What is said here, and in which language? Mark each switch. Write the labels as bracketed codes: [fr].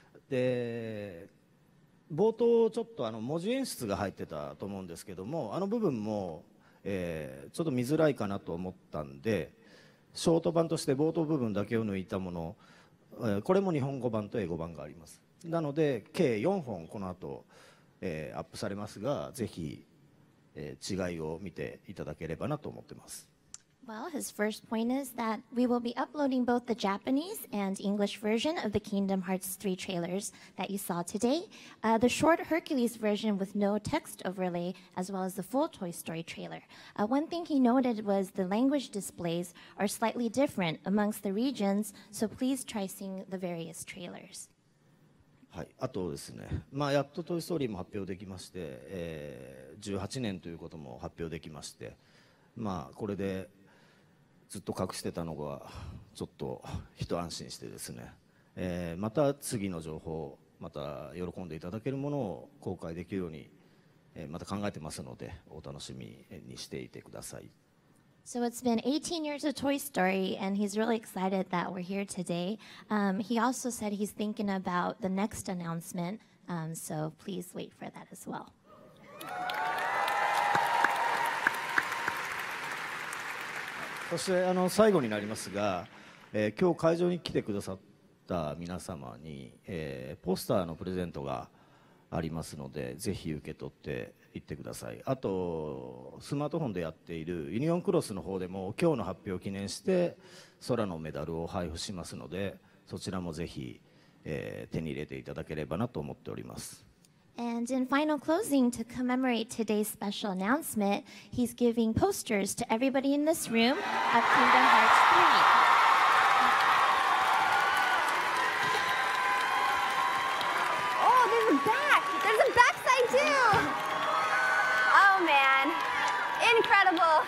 [ja] で、冒頭ちょっと文字演出が入ってたと思うんですけども、部分も、ちょっと見づらいかなと思ったんで、ショート版として冒頭部分だけを抜いたもの、これも日本語版と英語版があります。なので計4本この後アップされますが、ぜひ違いを見ていただければなと思ってます。 [en] Well, his first point is that we will be uploading both the Japanese and English version of the Kingdom Hearts 3 trailers that you saw today, the short Hercules version with no text overlay, as well as the full Toy Story trailer. One thing he noted was the language displays are slightly different amongst the regions, so please try seeing the various trailers. [ja] はい、あとですね、まあ、やっとトイストーリーも発表できまして、18年ということも発表できまして、まあ、これでずっと隠してたのがちょっと一安心してですね、また次の情報また喜んでいただけるものを公開できるように、また考えてますのでお楽しみにしていてください。 [en] So it's been 18 years of Toy Story, and he's really excited that we're here today. He also said he's thinking about the next announcement, so please wait for that as well. [ja] そして最後になりますが、今日会場に来てくださった皆様に、ポスターのプレゼントがありますので、ぜひ受け取って行ってください。あとスマートフォンでやっているユニオンクロスの方でも今日の発表を記念して空のメダルを配布しますので、そちらもぜひ、手に入れていただければなと思っております。 [en] And in final closing, to commemorate today's special announcement, he's giving posters to everybody in this room of Kingdom Hearts 3. Oh, there's a back! There's a backside too! Oh man, incredible!